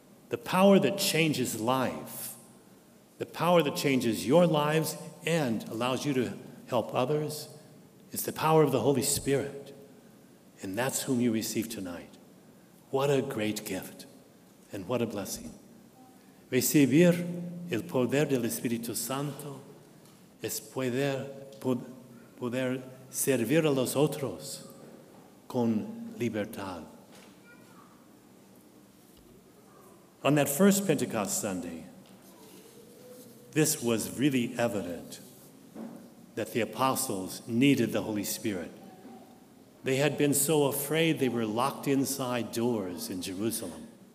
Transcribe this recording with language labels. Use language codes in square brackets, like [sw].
[en] The power that changes life, the power that changes your lives and allows you to help others, is the power of the Holy Spirit. And that's whom you receive tonight. What a great gift, and what a blessing. [es] Recibir el poder del Espíritu Santo es poder servir a los otros con libertad. [en] On that first Pentecost Sunday, this was really evident that the apostles needed the Holy Spirit. They had been so afraid they were locked inside doors in Jerusalem.